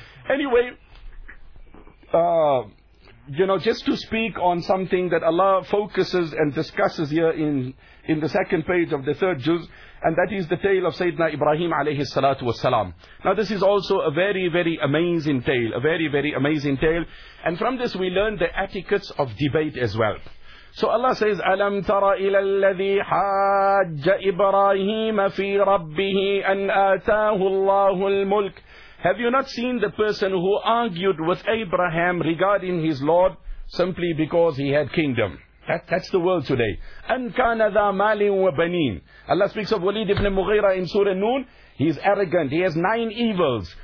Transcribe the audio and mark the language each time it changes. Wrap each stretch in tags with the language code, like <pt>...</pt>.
<en>Anyway, you know, just to speak on something that Allah focuses and discusses here in the second page of the third juz, and that is the tale of Sayyidina Ibrahim alayhi salatu wasalam. Now this is also a very, very amazing tale, a very, very amazing tale. And from this we learn the etiquettes of debate as well. So Allah says,</en> <ar>أَلَمْ تَرَ إِلَى الَّذِي حَاجَّ إِبْرَاهِيمَ فِي رَبِّهِ أَنْ آتَاهُ اللَّهُ الْمُلْكِ.</ar> <en>Have you not seen the person who argued with Abraham regarding his Lord simply because he had kingdom? That's the world today.</en> <ar>أَنْ كَانَ ذَا مَالٍ وَبَنِينَ.</ar> <en>Allah speaks of Walid ibn Mughira in Surah Noon. He's arrogant. He has nine evils.</en>